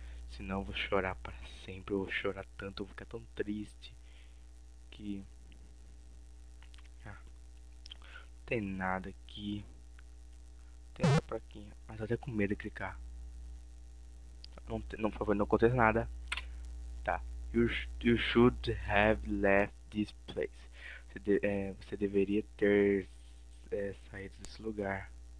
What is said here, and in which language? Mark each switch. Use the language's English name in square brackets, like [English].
[Portuguese] Senão eu vou chorar para sempre. Eu vou chorar tanto, eu vou ficar tão triste. Que tem nada aqui. Tem essa plaquinha. Mas até com medo de clicar. Não, por favor, não acontece nada. [English] You should have left this place. [Portuguese] Você deveria ter saído desse lugar.